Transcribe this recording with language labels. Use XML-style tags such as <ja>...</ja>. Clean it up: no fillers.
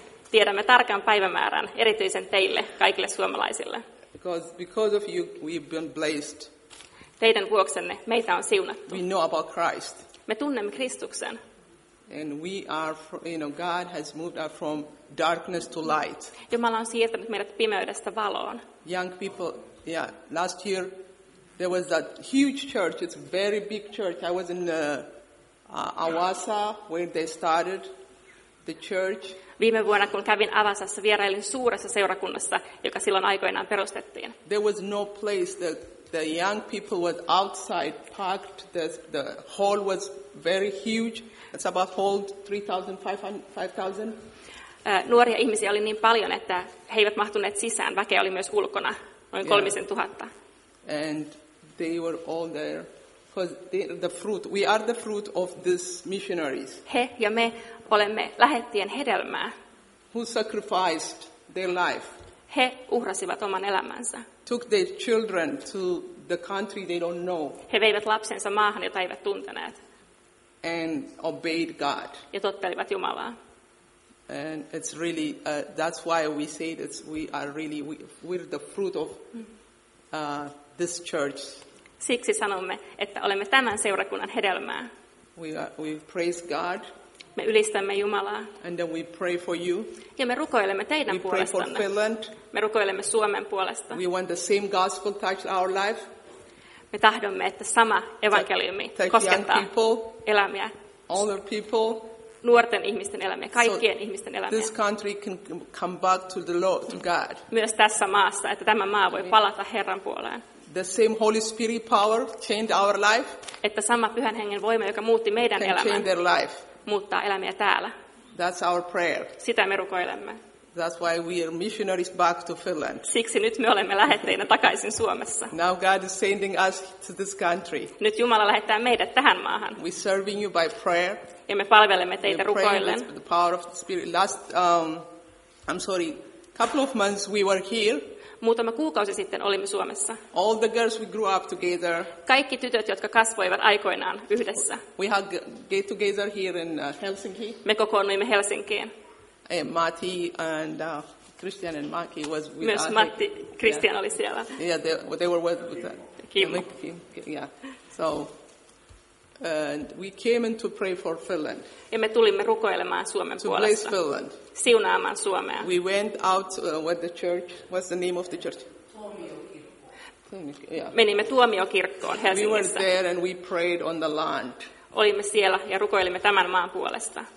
<fi>Tiedämme tarkan päivämäärän erityisen teille kaikille suomalaisille.</fi> <en>Because of you we've been blessed.</en> <fi>Teidän vuoksenne meitä on siunattu.</fi> <en>We know about Christ.</en> <fi>Me tunnemme Kristuksen.</fi> <en>And we are, you know, God has moved us from darkness to light.</en> <fi>Jumala on siirtänyt meidät pimeydestä valoon.</fi> <en>Young people, yeah, last year there was that huge church. It's a very big church. I was in Awasa where they started the church.</en> <fi>Viime vuonna kun kävin Awasassa, vierailin suuressa seurakunnassa, joka silloin aikoinaan perustettiin.</fi> <en>There was no place that the young people was outside parked. The hall was very huge. It's about hold 3,500.</en> <fi>Nuoria ihmisiä oli niin paljon, että he eivät mahtuneet sisään. Väkeä oli myös ulkona, noin 3,000.</fi> <en>And they were all there. Because the fruit, we are the fruit of these missionaries.</en> <fi>He ja me olemme lähettien hedelmää.</fi> <en>Who sacrificed their life.</en> <fi>He uhrasivat oman elämänsä.</fi> <en>Took their children to the country they don't know.</en> <fi>He veivät lapsensa maahan, jota eivät tunteneet.</fi> <en>And obeyed God.</en> <fi>Ja tottelivat Jumalaa.</fi> <en>And it's really, that's why we say that we are really, we're the fruit of this church.</en> <fi>Siksi sanomme, että olemme tämän seurakunnan hedelmää.</fi> <en>We praise God.</en> <fi>Me ylistämme Jumalaa.</fi> <en>And then we pray for you.</en> <fi>Ja me rukoilemme teidän puolestanne. Me rukoilemme Suomen puolesta.</fi> <en>We want the same gospel touch our life.</en> <fi>Me tahdomme, että sama evankeliumi koskettaa elämiä.</fi> <en>All the people.</en> <fi>Nuorten ihmisten elämiä, kaikkien ihmisten elämiä.</fi> <en>This country can come back to the Lord, to God.</en> <fi>Myös tässä maassa, että tämä maa voi palata Herran puoleen.</fi> <en>The same Holy Spirit power changed our life.</en> <fi>Että sama Pyhän Hengen voima, joka muutti meidän elämän, muuttaa elämiä täällä.</fi> <en>That's our prayer.</en> <fi>Sitä me rukoilemme.</fi> <en>That's why we are missionaries back to Finland.</en> <fi>Siksi nyt me olemme lähetteinä takaisin Suomessa.</fi> <en>Now God is sending us to this country.</en> <fi>Nyt Jumala lähettää meidät tähän maahan.</fi> <en>We serving you by prayer.</en> <fi>Ja me palvelemme teitä rukoillen.</fi> <en>The power of the Spirit. Couple of months we were here.</en> <fi>Muutama kuukausi sitten olimme Suomessa.</fi> <en>All the girls we grew up together.</en> <fi>Kaikki tytöt, jotka kasvoivat aikoinaan yhdessä.</fi> <en>We had get together here in Helsinki.</en> <fi>Me kokoonnuimme Helsinkiin.</fi> <en>And Matti and Christian and Maki was with</en> <fi>myös Matti, Christian oli siellä.</fi> <en>Yeah, they were with Kim. Yeah. So and we came in to pray for Finland.</en> <fi>Ja me tulimme rukoilemaan Suomen</fi> <en>to</en> <fi>puolesta.</fi> <en>To bless Finland.</en> <fi>Siunaamaan Suomea.</fi> <en>We went out with the church. What's the name of the church?</en> <fi>Tuomiokirkko.</fi> <en>Yeah.</en> <fi>Menimme Tuomiokirkkoon Helsingissä.</fi> <en>We went there and we prayed on the land.</en> <fi>Olimme siellä ja rukoilimme tämän maan puolesta.</fi>